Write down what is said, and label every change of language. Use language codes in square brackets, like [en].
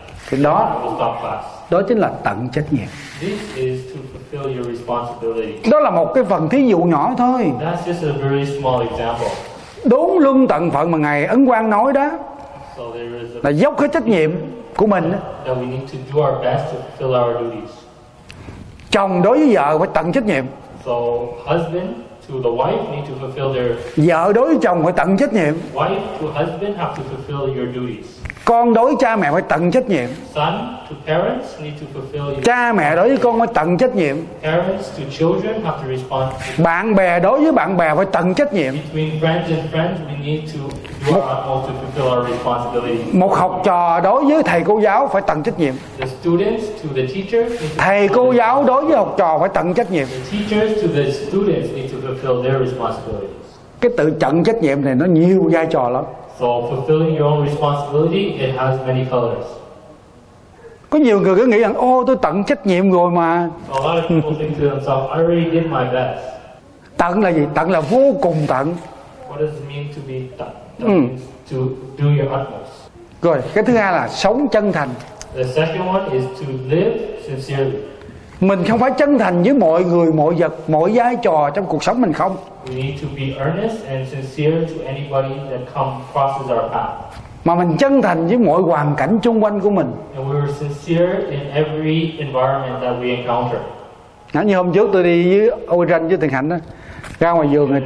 [vi] Thì đó, đó chính là tận trách nhiệm. [en] This is to fulfill your responsibility. [vi] Đó là một cái phần thí dụ nhỏ thôi. [en] That's just a very small example. [vi] Đúng luân tận phận mà Ngài Ấn Quang nói đó. [en] So there is a [vi] là dốc cái trách nhiệm của mình. [en] That we need to do our best to fulfill our duties. [vi] Chồng đối với vợ phải tận trách nhiệm. [en] So husband to the wife need to fulfill their. [vi] Vợ đối với chồng phải tận trách nhiệm. [en] Wife to husband have to fulfill your duties. [vi] Con đối với cha mẹ phải tận trách nhiệm. [en] Son to parents need to fulfill your. [vi] Cha mẹ đối với con phải tận trách nhiệm. [en] Parents to children have to respond. [vi] Bạn bè đối với bạn bè phải tận trách nhiệm. [en] Between friends and friends we need to do our utmost to fulfill our responsibility. [vi] Một học trò đối với thầy cô giáo phải tận trách nhiệm. [en] The students to the teacher. [vi] Thầy cô giáo đối với học trò phải tận trách nhiệm. [en] The teachers to the students need to fulfill their responsibilities. [vi] Cái tự tận trách nhiệm này nó nhiều vai trò lắm. [en] So fulfilling your own responsibility, it has many colors. [vi] Có nhiều người cứ nghĩ rằng, ô, tôi tận trách nhiệm rồi mà. [en] A lot of people think to themselves, I already did my best. [vi] Tận là gì? Tận là vô cùng tận. [en] What does it mean to be tận? To do your utmost. [vi] Rồi, cái thứ hai là sống chân thành. [en] The second one is to live sincerely. [vi] Mình không phải chân thành với mọi người, mọi vật, mọi vai trò trong cuộc sống mình không. [en] We need to be earnest and sincere to anybody that come crosses our path. [vi] Mà mình chân thành với mọi hoàn cảnh xung quanh của mình. [en] And we are sincere in every environment that we encounter. [vi] Nãy như hôm trước tôi đi với Âu Ranh với Thiền Hạnh đó, ra ngoài vườn